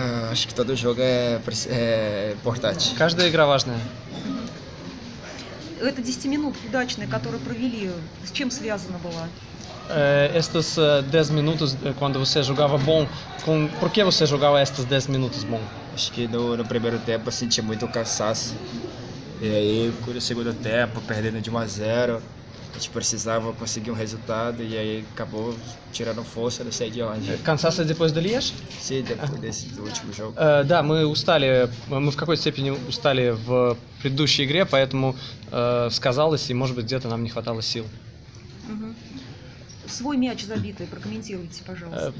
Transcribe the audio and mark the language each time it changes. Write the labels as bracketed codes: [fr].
[pt] Acho que todo jogo é importante. [ru] Каждая игра важная. Это 10 минут удачные, которые провели, с чем связано было? [pt] Estas 10 minutos, quando você jogava bom, por que você jogava estas 10 minutos bom? Acho que no primeiro tempo eu senti muito cansaço. E aí, no segundo tempo, perdendo de 1-0, a gente precisava conseguir resultado, e aí acabou tirando força, não sei de onde. Cansaço depois do Lias? Sim, depois desse último jogo. [ru] Да, мы устали, мы в какой-то степени устали в предыдущей игре, поэтому сказалось, и может быть где-то нам не хватало сил. Свой мяч забитый, прокомментируйте, пожалуйста.